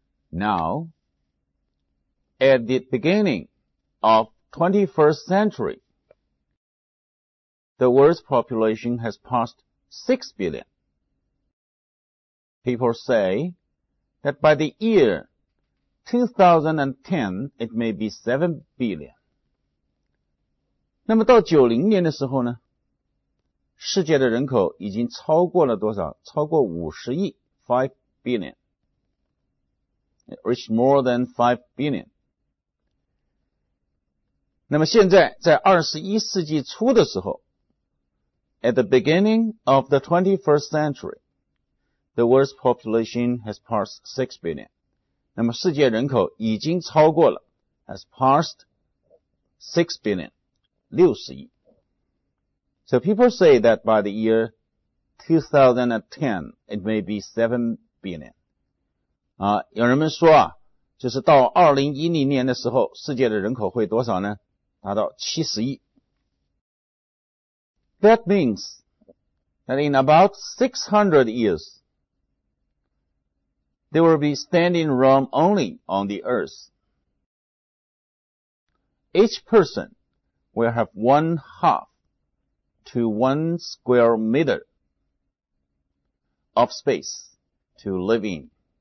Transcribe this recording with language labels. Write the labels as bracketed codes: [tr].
[en] Now,At the beginning of 21st century, the world's population has passed 6 billion. People say that by the year 2010, it may be 7 billion. [zh] 那么到90年的时候呢，世界的人口已经超过了多少？超过50亿 ,5 billion. [en] It reached more than 5 billion. [zh] 那么现在在21世纪初的时候 [en] At the beginning of the 21st century, the world's population has passed 6 billion. [zh] 那么世界人口已经超过了 [en] has passed 6 billion, [zh] 60亿。 [en] So people say that by the year 2010, it may be 7 billion. [zh] 啊，有人们说啊，就是到2010年的时候，世界的人口会多少呢？达到70亿。 [en] That means that in about 600 years, there will be standing room only on the earth. Each person will have 1/2 to 1 square meter of space to live in.